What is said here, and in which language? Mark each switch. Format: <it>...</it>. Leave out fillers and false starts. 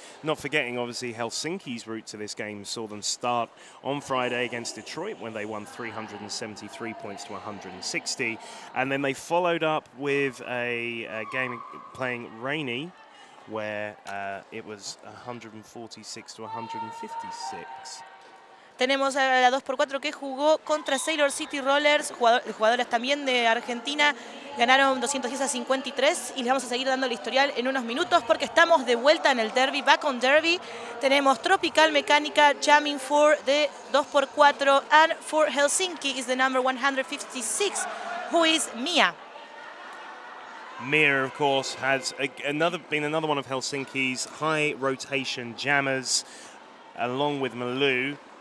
<en>Not forgetting, obviously, Helsinki's route to this game saw them start on Friday against Detroit when they won 373 points to 160. And then they followed up with a game playing Rainy, where it was 146 to 156.</en> <es>Tenemos a la 2x4 que jugó contra Sailor City Rollers, jugadoras también de Argentina. Ganaron 210 a 53 y les vamos a seguir dando el historial en unos minutos porque estamos de vuelta en el derby,</es> <en>back on derby.</en> <es>Tenemos</es> <en>Tropical Mecánica jamming for the 2x4 and for Helsinki is the number 156, who is Mia. Mia, of course, has been another one of Helsinki's high rotation jammers, along with Malu.</en>